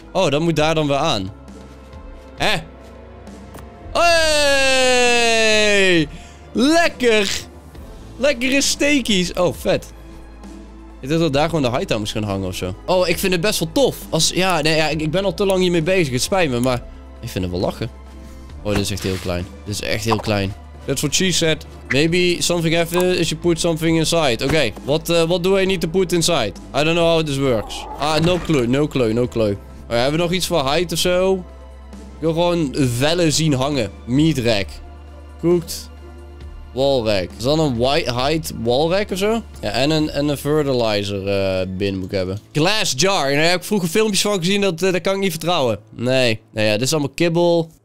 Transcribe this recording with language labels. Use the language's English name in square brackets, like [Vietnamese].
[Dutch] Oh, dat moet daar dan weer aan. Hé? Hey! Lekker! Lekkere steekies. Oh, vet. Ik dacht dat daar gewoon de hightown moest gaan hangen of zo. Oh, ik vind het best wel tof. Ik ben al te lang hiermee bezig. Het spijt me, maar ik vind het wel lachen. Oh, dit is echt heel klein. Dit is echt heel klein. [English] That's what she said. Maybe something happens if you put something inside. Oké, what do I need to put inside? I don't know how this works. No clue. [Dutch] Oh, ja, hebben we nog iets voor height of zo? Ik wil gewoon vellen zien hangen. Meat rack. Cooked. Wall rack. Is dat een white height wall rack of zo? Ja, en een fertilizer bin moet ik hebben. Glass jar. Daar heb ik vroeger filmpjes van gezien, dat kan ik niet vertrouwen. Nee. Nou ja, dit is allemaal kibbel.